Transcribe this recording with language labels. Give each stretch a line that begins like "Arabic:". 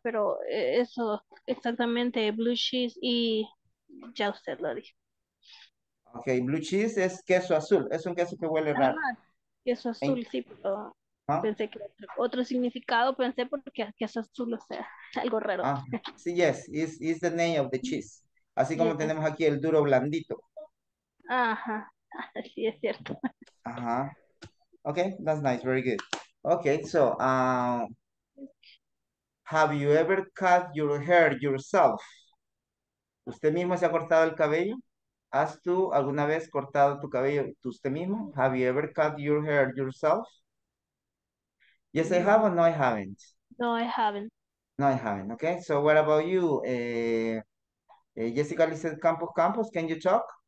Spanish: Pero eso, exactamente, blue cheese y ya usted lo dijo. Ok, blue cheese es queso azul, es un queso que huele raro. Queso azul, sí, pero pensé que otro significado, pensé porque queso azul, o sea, algo raro. Sí,
English: yes, it's the name of the cheese.
Spanish: Así como tenemos aquí el duro blandito. Sí, es cierto.
English: Ok, that's nice, very good. Okay, so have you ever cut your hair yourself?
Spanish: ¿Usted mismo se ha cortado el cabello? ¿Has tú alguna vez cortado tu cabello tú usted mismo?
English: Have you ever cut your hair yourself? Yes, I have, or no, I haven't. No, I haven't. No, I haven't. Okay, so what about you? Jessica Lizeth Campos, can you talk?